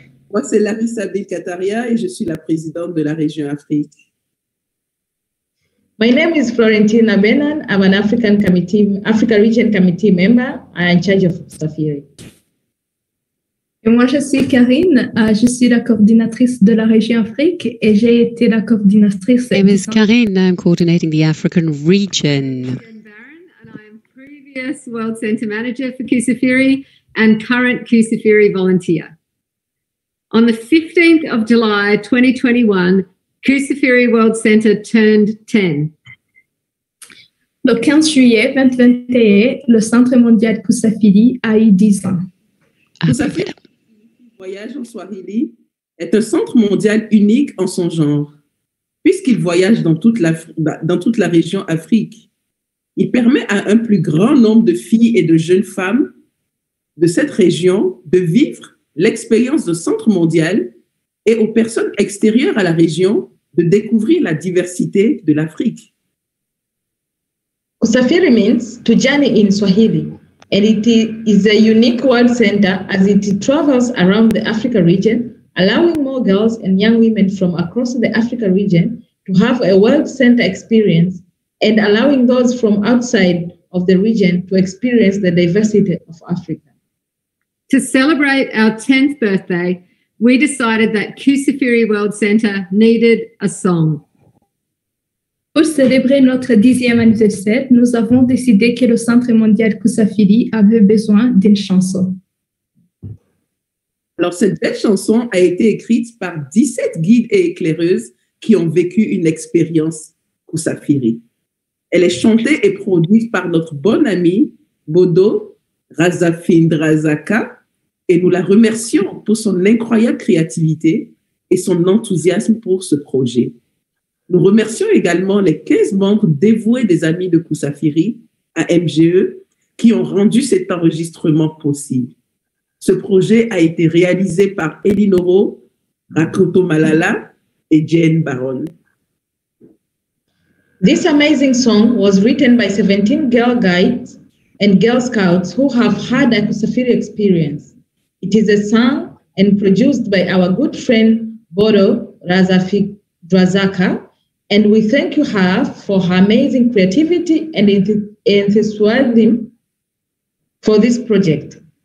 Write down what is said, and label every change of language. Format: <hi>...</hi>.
<fr>Moi, c'est Larissa Bilkataria et je suis la présidente de la région Afrique.</fr> <en>My name is Florentina Benan. I'm an African committee, Africa Region Committee member. I'm in charge of Safiri.</en> <fr>Et moi, je suis Karine. Je suis la coordinatrice de la région Afrique et j'ai été la coordinatrice.</fr> <en>My name is Karine. I'm coordinating the African region. And I am previous World Centre Manager for Kusafiri and current Kusafiri volunteer. On the 15th of July, 2021, Kusafiri World Centre turned 10.</en> <fr>Le 15 juillet 2021, le Centre Mondial Kusafiri a eu 10 ans. Kusafiri Voyage en Swahili est un centre mondial unique en son genre, puisqu'il voyage dans toute la région Afrique. Il permet à un plus grand nombre de filles et de jeunes femmes de cette région de vivre l'expérience de centre mondial et aux personnes extérieures à la région de découvrir la diversité de l'Afrique. Kusafiri means to journey in Swahili, and it is a unique world center as it travels around the Africa region, allowing more girls and young women from across the Africa region to have a world center experience and allowing those from outside of the region to experience the diversity of Africa.</fr> <en>To celebrate our 10th birthday, we decided that Kusafiri World Centre needed a song.</en> <fr>Pour célébrer notre 10e anniversaire, nous avons décidé que le Centre Mondial Kusafiri avait besoin d'une chanson. Alors, cette belle chanson a été écrite par 17 guides et éclaireuses qui ont vécu une expérience Kusafiri. Elle est chantée et produite par notre bon ami Bodo Razafindrazaka, et nous la remercions pour son incroyable créativité et son enthousiasme pour ce projet. Nous remercions également les 15 membres dévoués des Amis de Kusafiri à MGE qui ont rendu cet enregistrement possible. Ce projet a été réalisé par Elinoro, Rakoto Malala et Jane Baron.</fr> <en>This amazing song was written by 17 girl guides and Girl Scouts who have had a Kusafiri experience. It is a song and produced by our good friend Bodo Razafindrazaka, and we thank you her for her amazing creativity and enthusiasm for this project.</en>